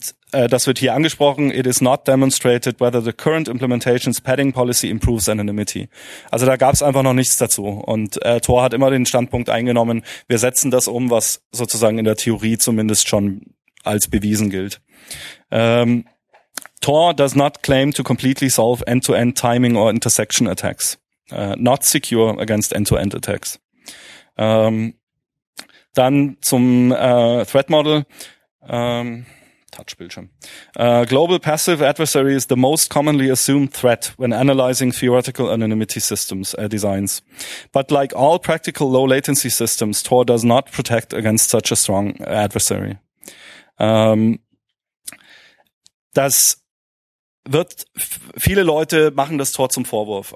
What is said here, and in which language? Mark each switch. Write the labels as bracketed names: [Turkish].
[German] Das wird hier angesprochen. [English] It is not demonstrated whether the current implementation's padding policy improves anonymity. [German] Also da gab es einfach noch nichts dazu. Und Tor hat immer den Standpunkt eingenommen, wir setzen das um, was sozusagen in der Theorie zumindest schon als bewiesen gilt. [English] Tor does not claim to completely solve end-to-end timing or intersection attacks. Not secure against end-to-end attacks. [German] Dann zum Threat Model. Touchbildschirm. [English] Global passive adversary is the most commonly assumed threat when analyzing theoretical anonymity systems designs. But like all practical low latency systems, Tor does not protect against such a strong adversary. [German] Das wird viele Leute machen das Tor zum Vorwurf.